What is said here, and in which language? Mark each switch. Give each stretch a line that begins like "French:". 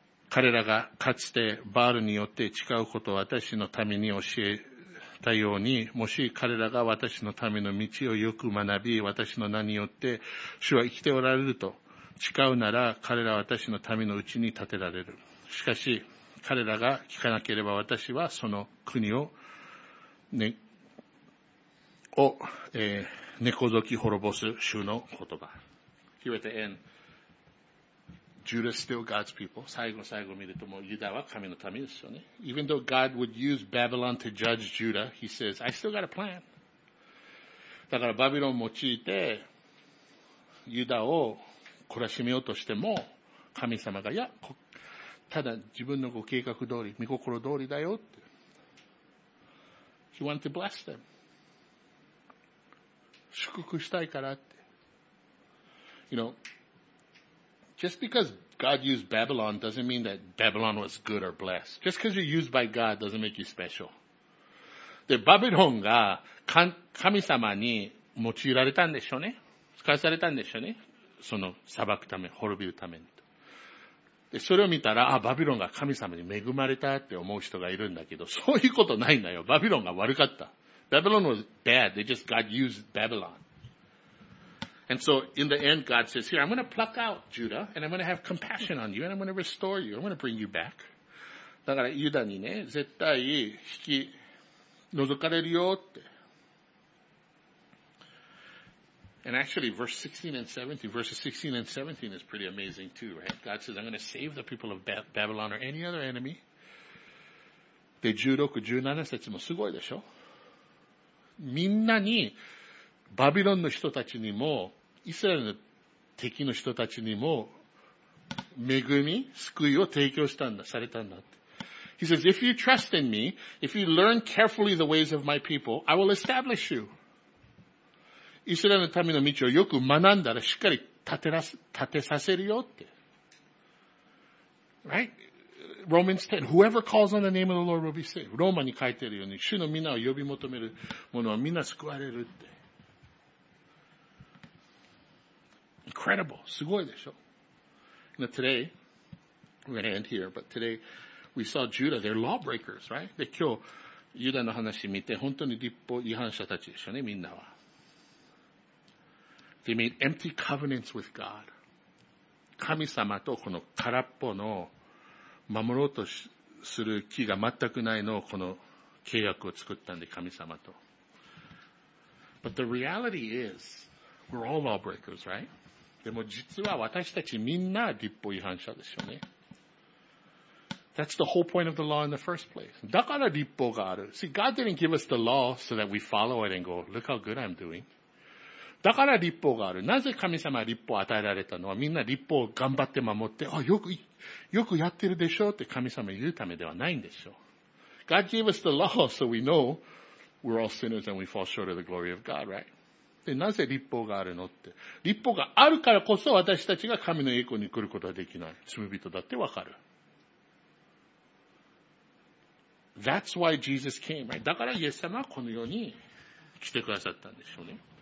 Japanese: 彼らがかつてバールによって誓うことを私の民に教えたように、もし彼らが私の民の道をよく学び、私の名によって主は生きておられると誓うなら、彼らは私の民のうちに建てられる。しかし、彼らが聞かなければ私はその国を、根こぞき滅ぼす主の言葉。
English: Here at the end, Judah is still God's people.
Japanese: 最後の最後を見るともうユダは神の民ですよね。
English: Even though God would use Babylon to judge Judah, he says, I still got a plan.
Japanese: だからバビロンを用いて、ユダを懲らしめようとしても、神様が、いや、ただ自分のご計画通り、御心通りだよって。
English: He wanted to bless them.
Japanese: 祝福したいからって。
English: You know, just because God used Babylon doesn't mean that Babylon was good or blessed. Just because you're used by God doesn't make you special.
Japanese: で、バビロンが神様に用いられたんでしょうね。使わされたんでしょうね。その裁くため、滅びるためにと。で、それを見たら、あ、バビロンが神様に恵まれたって思う人がいるんだけど、そういうことないんだよ。バビロンが悪かった。
English: Babylon was bad. They just God used Babylon. And so, in the end, God says, here, I'm going to pluck out Judah, and I'm going to have compassion on you, and I'm going to restore you. I'm going to bring you back.
Japanese: だから、ユダにね、絶対引き除かれるよって。
English: And actually, verses 16 and 17 is pretty amazing too, right? God says, I'm going to save the people of Babylon or any other enemy.
Japanese: で、16、17節もすごいでしょ？みんなに、バビロンの人たちにも、イスラエルの敵の人たちにも、恵み、救いを提供したんだ、されたんだって。
English: He says, if you trust in me, if you learn carefully the ways of my people, I will establish you.
Japanese: イスラエルの民の道をよく学んだらしっかり立てさせるよって。
English: Right? Romans 10. Whoever calls on the name of the Lord will be saved.
Japanese: ローマに書いてるように、主の皆を呼び求める者は皆救われるって。
English: Incredible.
Japanese: すごいでしょ。
English: Now today, we're going to end here, but today we saw Judah. They're lawbreakers, right?
Japanese: で、今日、ユダの話見て、本当に立法違反者たちでしょうね、みんなは。
English: They made empty covenants with God.
Japanese: 神様とこの空っぽの守ろうとする気が全くないのをこの契約を作ったんで、神様と。
English: But the reality is, we're all lawbreakers, right?
Japanese: でも実は私たちみんな立法違反者ですよね。
English: That's the whole point of the law in the first place.
Japanese: だから立法がある。
English: See, God didn't give us the law so that we follow it and go, look how good I'm doing.
Japanese: だから立法がある。なぜ神様は立法を与えられたのは、みんな立法を頑張って守って、あ、よくやってるでしょうって神様言うためではないんでしょう。
English: God gave us the law so we know we're all sinners and we fall short of the glory of God, right?
Japanese: で、なぜ立法があるのって。立法があるからこそ私たちが神の栄光に来ることはできない。罪人だってわかる。
English: That's why Jesus came, right?
Japanese: だからイエス様はこの世に来てくださったんでしょうね。